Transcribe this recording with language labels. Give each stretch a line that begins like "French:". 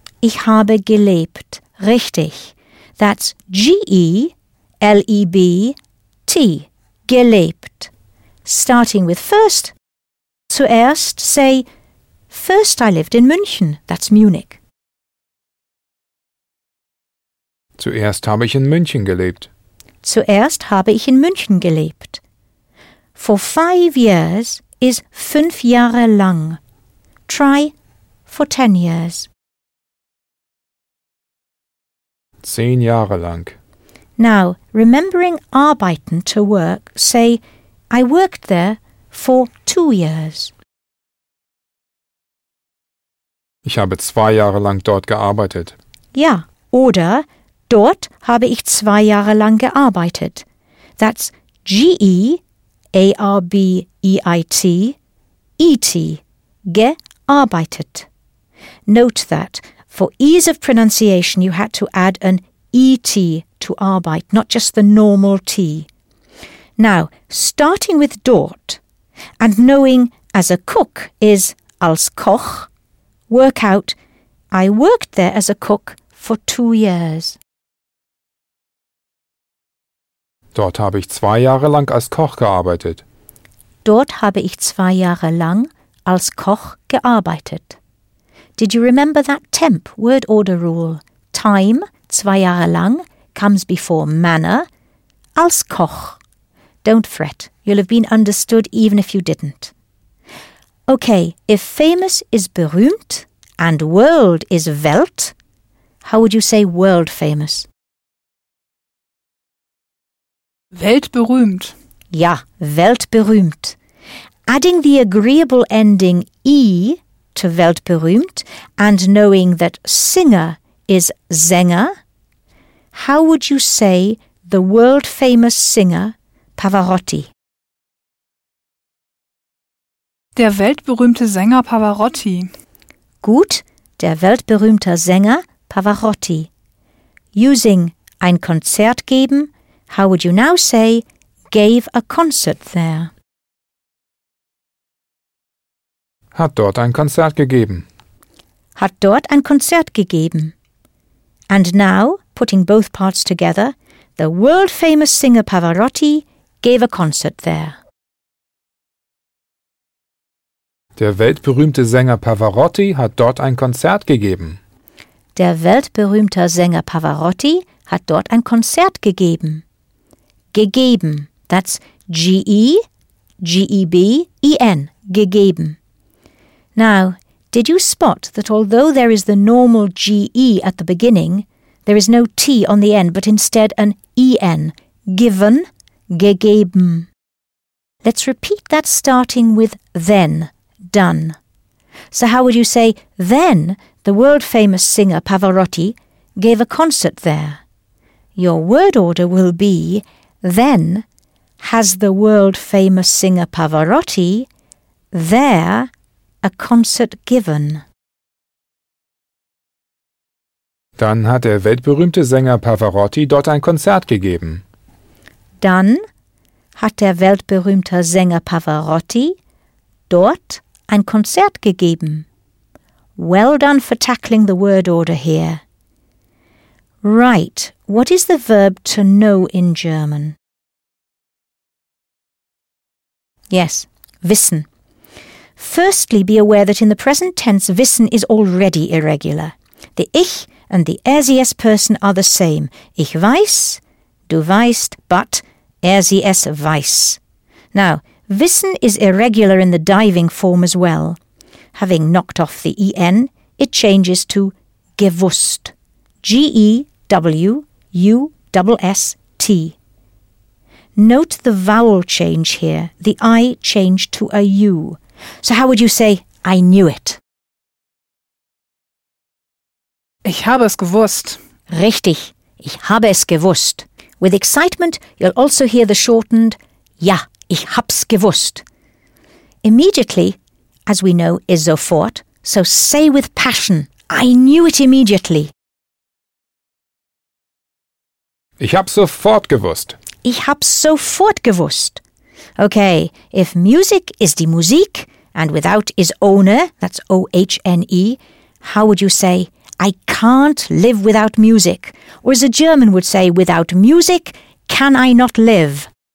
German: Ich habe gelebt. Richtig.
English: That's G-E-L-E-B-T.
German: Gelebt.
English: Starting with first. Zuerst say, first I lived in München. That's Munich.
German: Zuerst habe ich in München gelebt. Zuerst habe ich in München gelebt.
English: For 5 years is
German: 5 Jahre lang.
English: Try for 10 years.
German: 10 Jahre lang.
English: Now, remembering arbeiten, to work, say, I worked there for 2 years.
German: Ich habe 2 Jahre lang dort gearbeitet. Ja, oder dort habe ich 2 Jahre lang gearbeitet.
English: That's G-E. A-R-B-E-I-T, E-T, gearbeitet. Note that, for ease of pronunciation, you had to add an E-T to Arbeit, not just the normal T. Now, starting with dort, and knowing as a cook is
German: als Koch,
English: work out, I worked there as a cook for 2 years.
German: Dort habe ich 2 Jahre lang als Koch gearbeitet. Dort habe ich 2 Jahre lang als Koch gearbeitet.
English: Did you remember that temp word order rule? Time,
German: 2 Jahre lang,
English: comes before manner,
German: als Koch.
English: Don't fret, you'll have been understood even if you didn't. Okay, if famous is berühmt and world is Welt, how would you say world famous?
German: Weltberühmt. Ja, weltberühmt.
English: Adding the agreeable ending I to weltberühmt and knowing that Singer is Sänger, how would you say the world famous singer Pavarotti?
German: Der weltberühmte Sänger Pavarotti. Gut, der weltberühmte Sänger Pavarotti.
English: Using
German: ein Konzert geben,
English: how would you now say gave a concert there?
German: Hat dort ein Konzert gegeben. Hat dort ein Konzert gegeben.
English: And now, putting both parts together, the world-famous singer Pavarotti gave a concert there.
German: Der weltberühmte Sänger Pavarotti hat dort ein Konzert gegeben. Der weltberühmte Sänger Pavarotti hat dort ein Konzert gegeben.
English: Gegeben, that's G-E-G-E-B-E-N, gegeben. Now, did you spot that although there is the normal G-E at the beginning, there is no T on the end, but instead an E-N, given, gegeben. Let's repeat that starting with then, done. So how would you say, then the world-famous singer Pavarotti gave a concert there? Your word order will be, then has the world-famous singer Pavarotti there a concert given?
German: Dann hat der weltberühmte Sänger Pavarotti dort ein Konzert gegeben. Dann hat der weltberühmte Sänger Pavarotti dort ein Konzert gegeben.
English: Well done for tackling the word order here. Right, what is the verb to know in German? Yes, wissen. Firstly, be aware that in the present tense, wissen is already irregular. The ich and the er/sie/es person are the same.
German: Ich weiß, du weißt, but er/sie/es weiß.
English: Now, wissen is irregular in the diving form as well. Having knocked off the en, it changes to gewusst. G-E-W-U-S-S-T. Note the vowel change here. The I changed to a U. So how would you say, I knew it?
German: Ich habe es gewusst. Richtig, ich habe es gewusst.
English: With excitement, you'll also hear the shortened,
German: ja, ich hab's gewusst.
English: Immediately, as we know, is sofort, so say with passion, I knew it immediately.
German: Ich hab's sofort gewusst. Ich hab's sofort gewusst.
English: Okay, if music is die Musik and without is ohne, that's O-H-N-E, how would you say, I can't live without music? Or as a German would say, without music, can I not live?